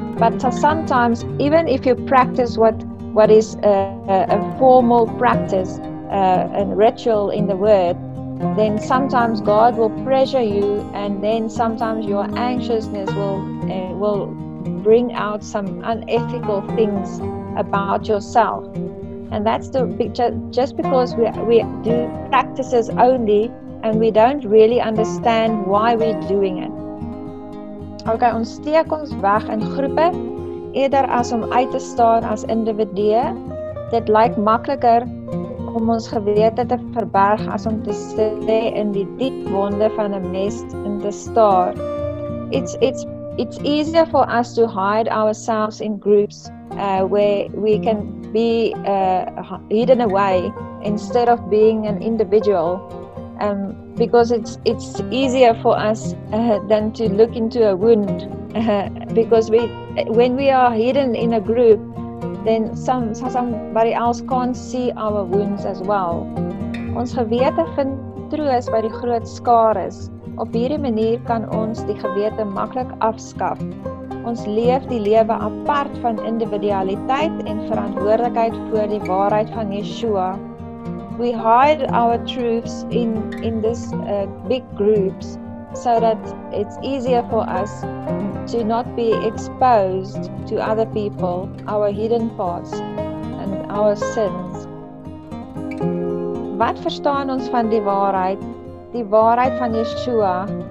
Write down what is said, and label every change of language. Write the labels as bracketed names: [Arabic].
[English] But sometimes, even if you practice what is a formal practice, and ritual in the word, then sometimes God will pressure you, and then sometimes your anxiousness will bring out some unethical things about yourself. And that's the picture, just because we do practices only and we don't really understand why we're doing it. [Afrikaans] Okay, ons steek ons weg in groepe eerder as om uit te staan as individue. Dit lyk makliker om ons gewete te verberg as om te sê in die diep wonde van 'n mens in te staar. [English] It's easier for us to hide ourselves in groups where we can be hidden away instead of being an individual, because it's easier for us than to look into a wound, because when we are hidden in a group, then somebody else can't see our wounds as well. [Afrikaans] Ons gewete vind troos by die groot skares. Op hierdie manier kan ons die gewete maklik afskaf. Ons leef die lewe apart van individualiteit en verantwoordelikheid voor die waarheid van Yeshua. [English] We hide our truths in this big groups so that it's easier for us to not be exposed to other people, our hidden parts and our sins. [Afrikaans] Wat verstaan ons van die waarheid? Die waarheid van Yeshua.